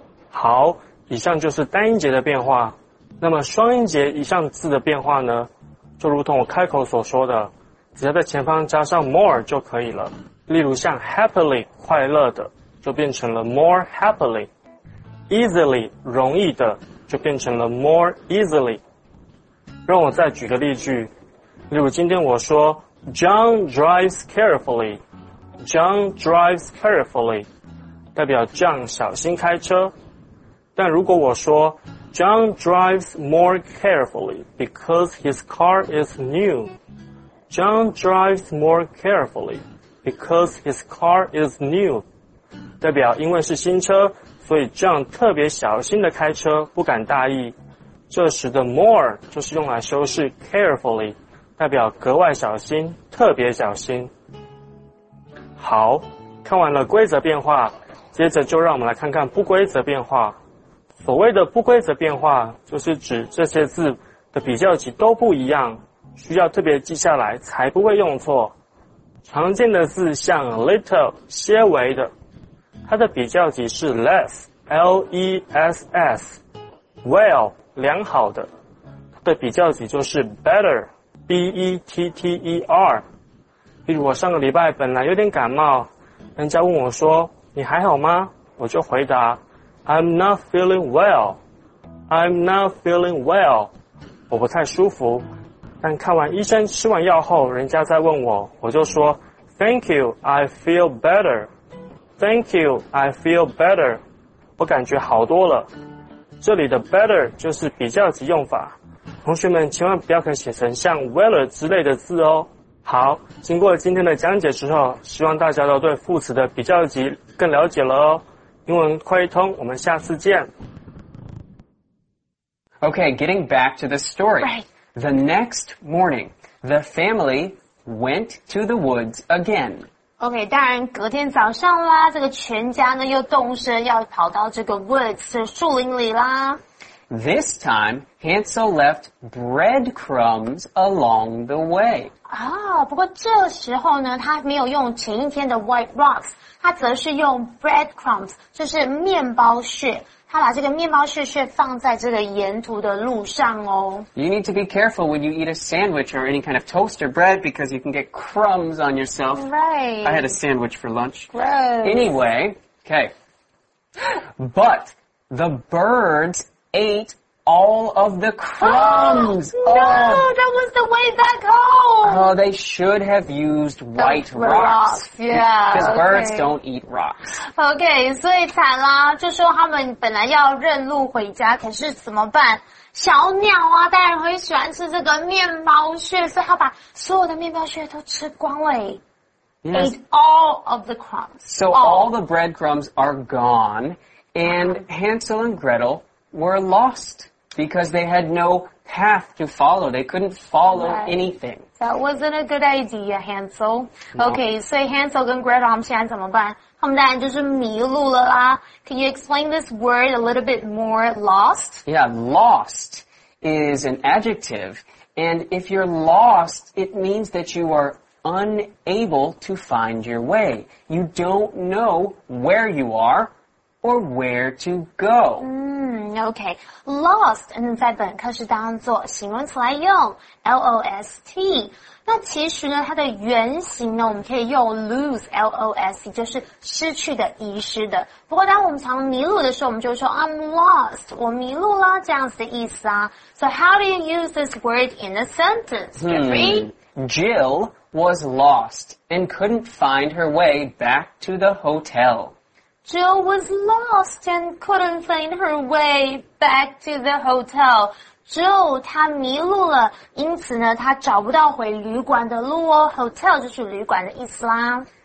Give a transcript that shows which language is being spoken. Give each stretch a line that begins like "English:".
Chinese: 好，以上就是单音节的变化。那么双音节以上字的变化呢，就如同我开口所说的，只要在前方加上 more 就可以了。例如像 happily 快乐的就变成了
English: more happily，
Chinese: easily 容易的就变成了
English: more easily。
Chinese: 让我再举个例句，例如今天我说
English: John drives carefully， John drives carefully代表 John 小心开车，但如果我说 John drives more carefully because his car is new，
Chinese: John drives more carefully because his car is new 代表因为是新车，所以 John 特别小心的开车，不敢大意。这时的 more 就是用来修饰 carefully， 代表格外小心，特别小心。好，看完了规则变化，接着就让我们来看看不规则变化。所谓的不规则变化，就是指这些字的比较级都不一样，需要特别记下来才不会用错。常见的字像 little 些微的，它的比较级是 less L-E-S-S， well 良好的，它的比较级就是 better B-E-T-T-E-R。比如我上个礼拜本来有点感冒，人家问我说你还好吗？我就回答
English: I'm not feeling well，
Chinese: I'm not feeling well， 我不太舒服。但看完医生吃完药后，人家再问我，我就说
English: Thank you I feel better，
Chinese: Thank you I feel better， 我感觉好多了。这里的 better 就是比较级用法，同学们千万不要肯写成像 weller 之类的字哦。好，经过今天的讲解之后，希望大家都对副词的比较级更了解了哦。英文快一通，我们下次见。
English: Okay, getting back to the story. Right. The next morning, the family went to the woods again.
Chinese: Okay, 当然隔天早上啦，这个全家呢又动身要跑到这个 woods 树林里啦。
English: This time, Hansel left breadcrumbs along the way.
Chinese: 啊，不过这时候呢，他没有用前一天的
English: white rocks，
Chinese: 他则是用 breadcrumbs， 就是面包屑。他把这个面包屑屑放在这个沿途的路上哦。
English: You need to be careful when you eat a sandwich or any kind of toast or bread because you can get crumbs on yourself. Right. I had a sandwich for lunch. Gross. Anyway, okay. But the birds... ate all of the crumbs. Oh, no, that was the way back home. Oh, they should have used white rocks. Yeah, because birds don't eat rocks.
Chinese: Okay, 所以惨啦，就说他们本来要认路回家，可是怎么办？小鸟啊，当然会喜欢吃这个面包屑，所以他把所有的面包屑都吃光了。
English: Yes. Ate all of the crumbs. So all the breadcrumbs are gone, and Hansel and Gretel were lost because they had no path to follow. They couldn't follow anything. That wasn't a good idea, Hansel. Okay, no. So Hansel and Gretel,
Chinese: 他们现在怎么办？他们当然就是迷路了啦。
English: Can you explain this word a little bit more, lost? Yeah, lost is an adjective. And if you're lost, it means that you are unable to find your way. You don't know where you are or where to go.
Chinese: Okay, lost 在本课是当作形容词来用 ,L-O-S-T。那其实呢它的原型呢我们可以用 lose, L-O-S-T, 就是失去的遗失的。不过当我们常迷路的时候我们就说
English: I'm lost,
Chinese: 我迷路啦这样子的意思啊。
English: So how do you use this word in a sentence, Jeffrey? Jill was lost and couldn't find her way back to the hotel. Jill was lost and couldn't find her way back to the hotel.
Chinese: Jill, 她迷路了，因此呢，她找不到回旅馆的路哦。 Hotel 就是旅馆的意思啦。